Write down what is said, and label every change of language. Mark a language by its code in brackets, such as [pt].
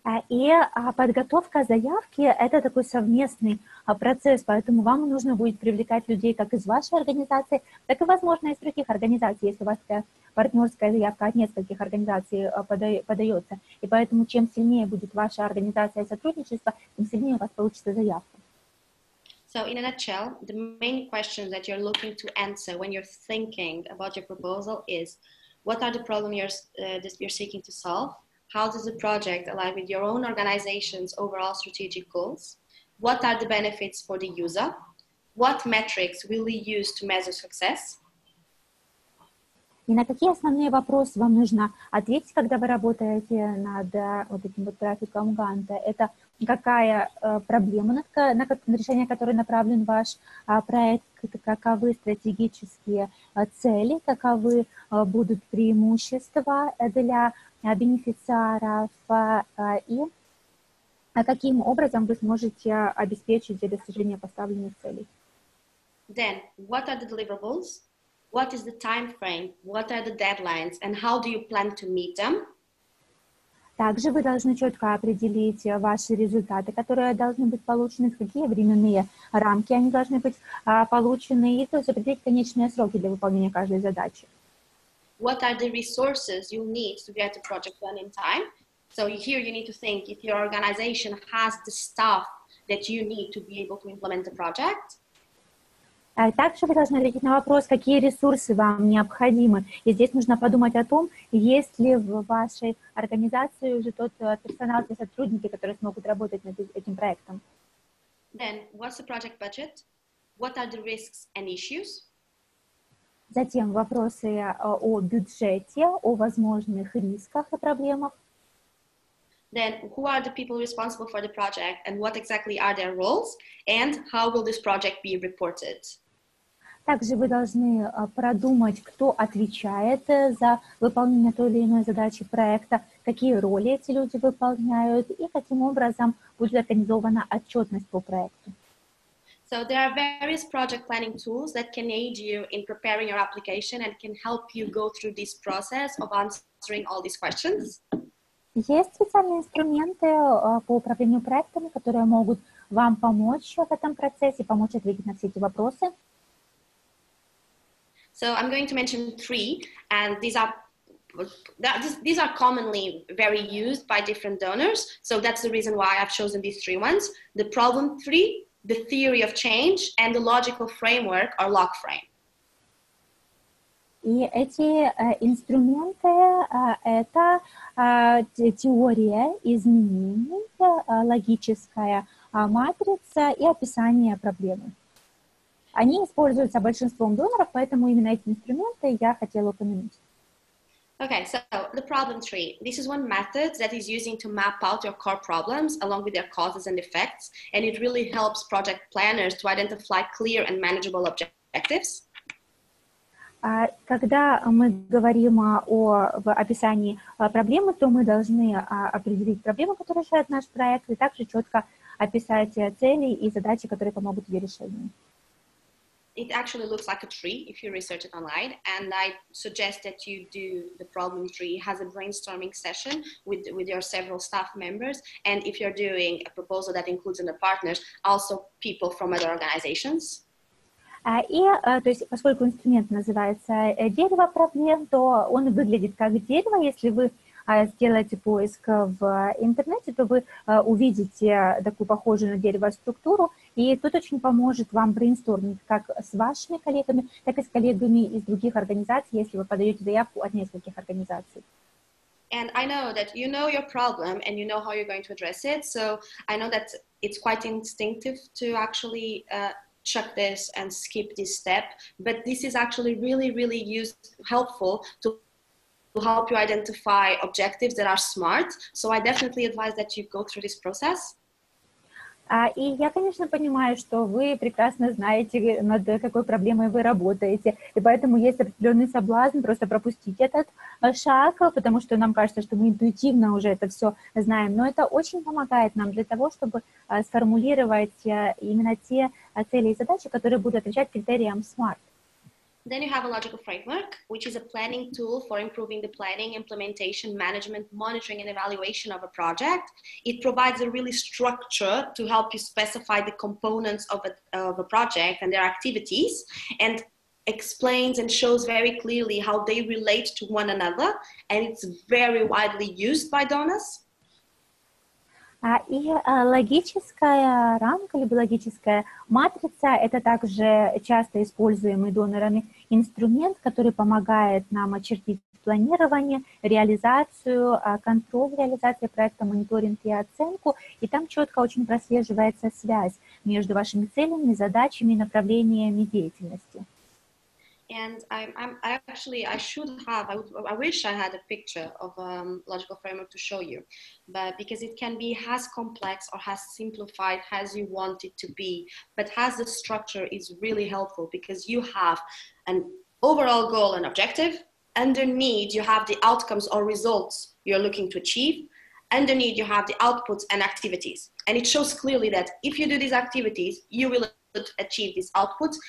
[ru] И подготовка заявки – это такой совместный процесс, поэтому вам нужно будет привлекать людей как из вашей организации, так и, возможно, из других организаций, если у вас такая партнерская заявка от нескольких организаций подается. И поэтому чем сильнее будет ваша организация сотрудничества, тем сильнее у вас получится заявка. [en] So in a nutshell, the main question that you're looking to answer when you're thinking about your proposal is, what are the problems you're seeking to solve? How does the project align with your own organization's overall strategic goals? What are the benefits for the user? What metrics will we use to measure success? [ru] И на какие основные вопросы вам нужно ответить, когда вы работаете над вот этим вот графиком Ганта? Это какая проблема, на решение которой направлен ваш проект, каковы стратегические цели, каковы будут преимущества для бенефициаров и каким образом вы сможете обеспечить для достижения поставленных целей? [en] Then, what are the deliverables? What is the time frame? What are the deadlines? And how do you plan to meet them? [ru] Также вы должны четко определить ваши результаты, которые должны быть получены, какие временные рамки они должны быть получены, и то есть определить конечные сроки для выполнения каждой задачи. [en] What are the resources you need to get the project done in time? So here you need to think if your organization has the staff that you need to be able to implement the project. [ru] Также вы должны ответить на вопрос, какие ресурсы вам необходимы. И здесь нужно подумать о том, есть ли в вашей организации уже тот персонал, те сотрудники, которые смогут работать над этим проектом. [en] Then, what's the project budget? What are the risks and issues? [ru] Затем вопросы о бюджете, о возможных рисках и проблемах. [en] Then who are the people responsible for the project and what exactly are their roles and how will this project be reported? [ru] Также вы должны продумать, кто отвечает за выполнение той или иной задачи проекта, какие роли эти люди выполняют и каким образом будет организована отчетность по проекту. [en] So there are various project planning tools that can aid you in preparing your application and can help you go through this process of answering all these questions. [ru] Есть специальные инструменты по управлению проектами, которые могут вам помочь в этом процессе, помочь ответить на все эти вопросы. [en] So I'm going to mention three, and these are commonly very used by different donors. So that's the reason why I've chosen these three ones. The problem three, the theory of change, and the logical framework or lock frame. [ru] И эти инструменты это теория изменений, логическая матрица и описание проблемы. Они используются большинством доноров, поэтому именно эти инструменты я хотела упомянуть. [en] Okay, so the problem tree. This is one method that is using to map out your core problems along with their causes and effects, and it really helps project planners to identify clear and manageable objectives. [ru] Когда мы говорим в описании проблемы, то мы должны определить проблему, которую решает наш проект, и также четко описать цели и задачи, которые помогут ее решению. [en] It actually looks like a tree if you research it online, and I suggest that you do the problem tree. It has a brainstorming session with your several staff members, and if you're doing a proposal that includes in the partners, also people from other organizations. [ru] То есть, поскольку инструмент называется дерево проблем, то он выглядит как дерево. Если вы сделаете поиск в интернете, то вы увидите такую похожую на дерево структуру, и тут очень поможет вам брейнстормить как с вашими коллегами, так и с коллегами из других организаций, если вы подаете заявку от нескольких организаций. [en] And I know that you know your problem and you know how you're going to address it, so I know that it's quite instinctive to actually chuck this and skip this step, but this is actually really, really helpful to help you identify objectives that are smart. So I definitely advise that you go through this process. [ru] И я, конечно, понимаю, что вы прекрасно знаете, над какой проблемой вы работаете, и поэтому есть определенный соблазн просто пропустить этот шаг, потому что нам кажется, что мы интуитивно уже это все знаем, но это очень помогает нам для того, чтобы сформулировать именно те цели и задачи, которые будут отвечать критериям SMART. [en] Then you have a logical framework, which is a planning tool for improving the planning, implementation, management, monitoring, and evaluation of a project. It provides a really structure to help you specify the components of a project and their activities, and explains and shows very clearly how they relate to one another, and it's very widely used by donors. [ru] И логическая рамка, либо логическая матрица – это также часто используемый донорами инструмент, который помогает нам очертить планирование, реализацию, контроль реализации проекта, мониторинг и оценку. И там четко очень прослеживается связь между вашими целями, задачами и направлениями деятельности. [en] And I wish I had a picture of a logical framework to show you, but because it can be as complex or as simplified as you want it to be, but as the structure is really helpful because you have an overall goal and objective, underneath you have the outcomes or results you're looking to achieve, underneath you have the outputs and activities, and it shows clearly that if you do these activities, you will achieve these outputs.